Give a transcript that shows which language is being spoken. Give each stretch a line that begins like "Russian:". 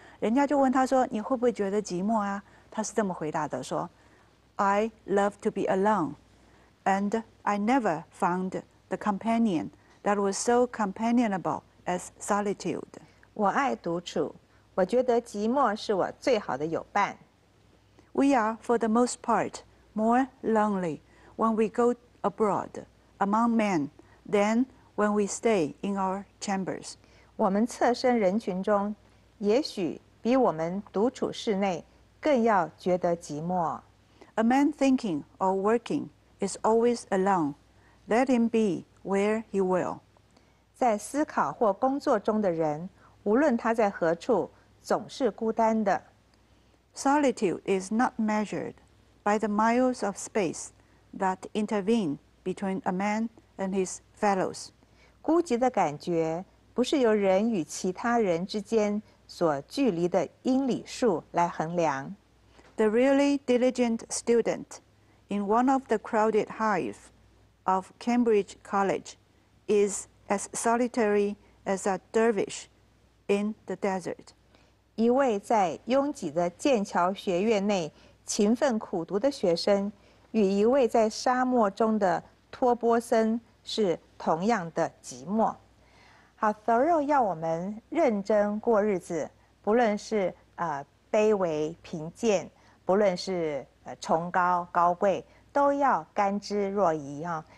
Chinese: 人家就问他说：“你会不会觉得寂寞啊？” 他是这么回答的：“说
English: ，I love to be alone, and I never found the companion that was so companionable as solitude。”
Chinese: 我爱独处，我觉得寂寞是我最好的友伴。
English: We are, for the most part, more lonely when we go abroad among men than when we stay in our chambers.
Chinese: 我们侧身人群中，也许比我们独处室内更要觉得寂寞。
English: A man thinking or working is always alone. Let him be where he will.
Chinese: 在思考或工作中的人，无论他在何处，总是孤单的。
English: Solitude is not measured by the miles of space that intervene between a man and his fellows.
Chinese: 孤寂的感觉不是由人与其他人之间所距离的英里数来衡量。
English: The really diligent student in one of the crowded hives of Cambridge College is as solitary as a dervish in the desert.
Chinese: 一位在拥挤的剑桥学院内勤奋苦读的学生，与一位在沙漠中的托波森是同样的寂寞。好 ，Thoreau 要我们认真过日子，不论是卑微贫贱，不论是崇高高贵，都要甘之若饴啊。